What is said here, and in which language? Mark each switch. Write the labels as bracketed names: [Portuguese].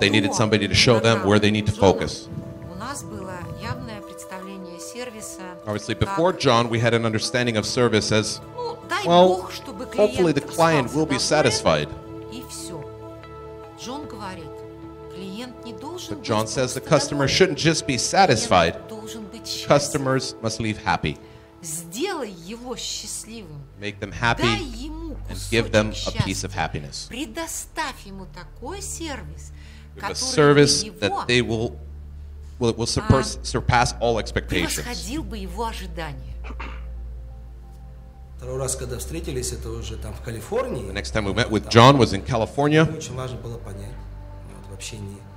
[English] They needed somebody to show them where they need to focus. [Russian] У нас было явное представление сервиса. [English] Obviously, before John, we had an understanding of service as, well, hopefully the client will be satisfied. [Russian] И все. Джон говорит, клиент не должен. [English] But John says the customer shouldn't just be satisfied. Customers must leave happy. [Russian] Сделай его счастливым. [English] Make them happy. [Russian] Дай ему кусочек [English] and give them [Russian] счастья. [English] A piece of happiness. [Russian] Предоставь ему такой сервис, [English] the service that they will, well, it will surpass all expectations. [Russian] Превосходил бы его ожидания. Второй раз, когда встретились, это уже там в Калифорнии. [English] The next time we met with John was in California. [Russian] Очень важно было понять в общении.